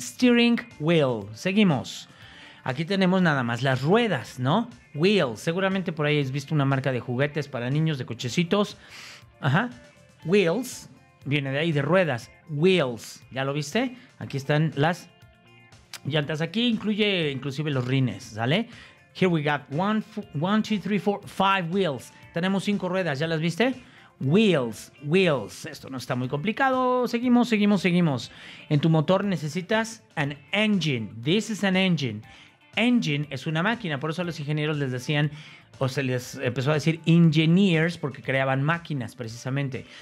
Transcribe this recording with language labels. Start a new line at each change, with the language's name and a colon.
Spanish: Steering wheel. Seguimos. Aquí tenemos nada más las ruedas, ¿no? Wheel. Seguramente por ahí has visto una marca de juguetes para niños, de cochecitos. Ajá. Wheels. Viene de ahí, de ruedas. Wheels. ¿Ya lo viste? Aquí están las llantas. Aquí incluye inclusive los rines, ¿sale?
English: Here we got one, two, three, four, five wheels.
Spanish: Tenemos cinco ruedas. ¿Ya las viste? Wheels. Wheels. Esto no está muy complicado. Seguimos, seguimos, seguimos. En tu motor necesitas an engine.
English: This is an engine.
Spanish: Engine es una máquina, por eso los ingenieros les decían, o se les empezó a decir engineers, porque creaban máquinas precisamente.